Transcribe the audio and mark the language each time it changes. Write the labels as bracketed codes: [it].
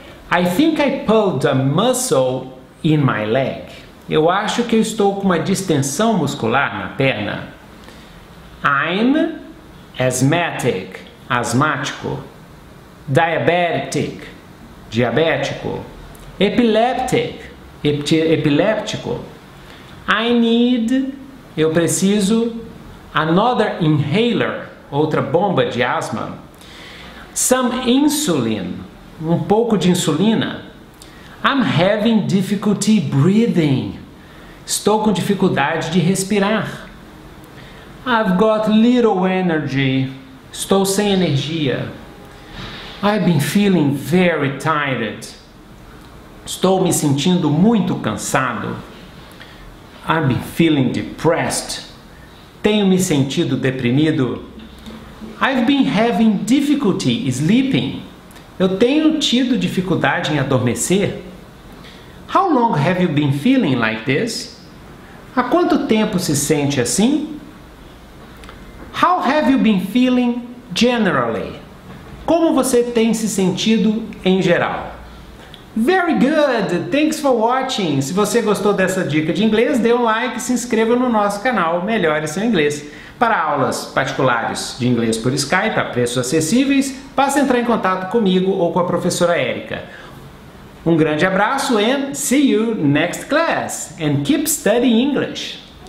[en] I think I pulled a muscle... In my leg. [pt] Eu acho que eu estou com uma distensão muscular na perna. [en] I'm asthmatic. [pt] Asmático. [en] Diabetic. [pt] Diabético. [en] Epileptic. [pt] Epiléptico. [en] I need. [pt] Eu preciso. [en] Another inhaler. [pt] Outra bomba de asma. [en] Some insulin. [pt] Um pouco de insulina. [en] I'm having difficulty breathing. [pt] Estou com dificuldade de respirar. [en] I've got little energy. [pt] Estou sem energia. [en] I've been feeling very tired. [pt] Estou me sentindo muito cansado. [en] I've been feeling depressed. [pt] Tenho me sentido deprimido. [en] I've been having difficulty sleeping. [pt] Eu tenho tido dificuldade em adormecer. [en] How long have you been feeling like this? [pt] Há quanto tempo se sente assim? [en] How have you been feeling generally? [pt] Como você tem se sentido em geral? [en] Very good! Thanks for watching! [pt] Se você gostou dessa dica de inglês, dê um like e se inscreva no nosso canal Melhore Seu Inglês. Para aulas particulares de inglês por Skype a preços acessíveis, basta entrar em contato comigo ou com a professora Érica. Um grande abraço [en] and see you next class and keep studying English.